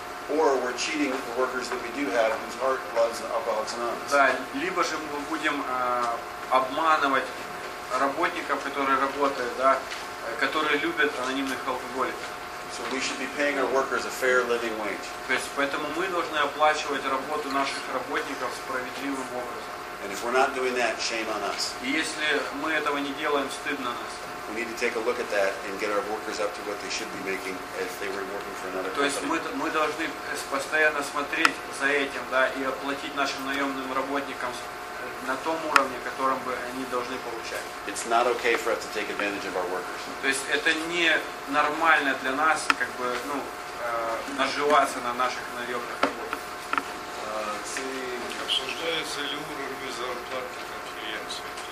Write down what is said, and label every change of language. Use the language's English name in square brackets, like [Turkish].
[English] Or we're cheating the workers that we do have, whose heart loves Alcoholics Anonymous. [Russian] Да, либо же мы будем обманывать работников, которые работают, да, которые любят анонимных алкоголиков. [English] So we should be paying our workers a fair living wage. [Russian] То есть поэтому мы должны оплачивать работу наших работников справедливым образом. [English] And if we're not doing that, shame on us. [Russian] И если мы этого не делаем, стыдно нас. [English] We need to take a look at that and get our workers up to what they should be making if they were working for another company. [Russian] То есть мы должны постоянно смотреть за этим, да, и оплатить нашим наемным работникам на том уровне, котором бы они должны получать. [English] It's not okay for us to take advantage of our workers. [Russian] То есть это не нормально для нас, как бы, ну, наживаться на наших наемных работниках. Обсуждается ли уровень зарплаты конференции?